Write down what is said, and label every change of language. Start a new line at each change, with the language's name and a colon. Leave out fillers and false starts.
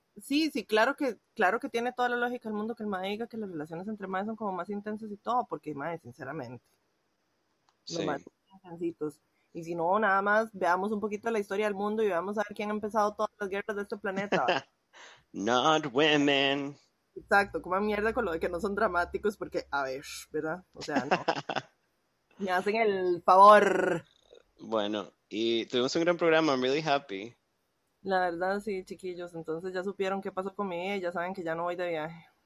Spanish: Sí, claro que tiene toda la lógica del mundo que el mae diga que las relaciones entre maes son como más intensas y todo, porque mae, sinceramente, los maes Sí. son intensitos. Y si no, nada más veamos un poquito la historia del mundo y veamos a ver quién ha empezado todas las guerras de este planeta.
English: Not women.
Spanish: Exacto, como mierda con lo de que no son dramáticos, porque, a ver, ¿verdad? O sea, no. Me hacen el favor. Bueno. Y tuvimos un gran programa,
English: I'm really happy.
Spanish: La verdad, sí, chiquillos. Entonces ya supieron qué pasó con mi hija y ya saben que ya no voy de viaje.